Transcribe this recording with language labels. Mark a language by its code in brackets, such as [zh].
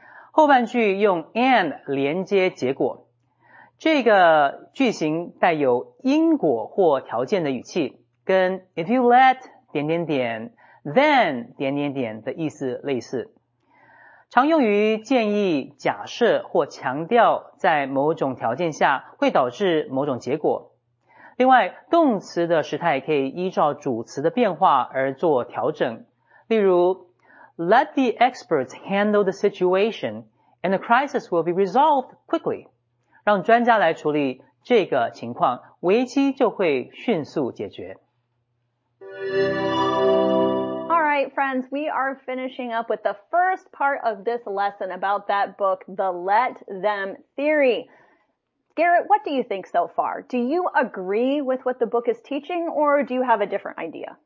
[zh] 后半句用 and 连接结果，这个句型带有因果或条件的语气，跟 [en] if you let [zh] 点点点 then 点点点的意思类似。常用于建议、假设或强调在某种条件下会导致某种结果。另外，动词的时态可以依照主词的变化而做调整。例如 [en] ,let the experts handle the situation and the crisis will be resolved quickly. [zh] 让专家来处理这个情况，危机就会迅速解决。 [en] Alright, friends, we are finishing up with the first part of this lesson about that book, The Let Them Theory. Garrett, what do you think so far? Do you agree with what the book is teaching, or do you have a different idea?